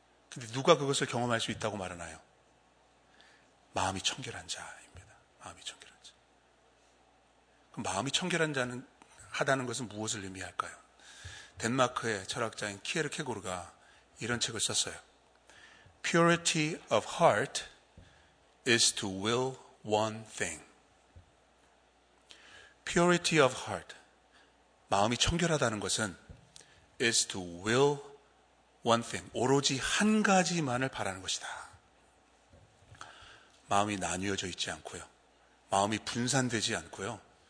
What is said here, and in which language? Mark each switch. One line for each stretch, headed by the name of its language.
Korean: 근데 누가 그것을 경험할 수 있다고 말하나요? 마음이 청결한 자입니다. 마음이 청결한 자. 그럼 마음이 청결한 자는 하다는 것은 무엇을 의미할까요? 덴마크의 철학자인 키에르케고르가 이런 책을 썼어요.
English: Purity of heart is to will one thing. Purity of heart,
Korean: 마음이 청결하다는 것은
English: is to will one thing,
Korean: 오로지 한 가지만을 바라는 것이다. 마음이 나뉘어져 있지 않고요. 마음이 분산되지 않고요.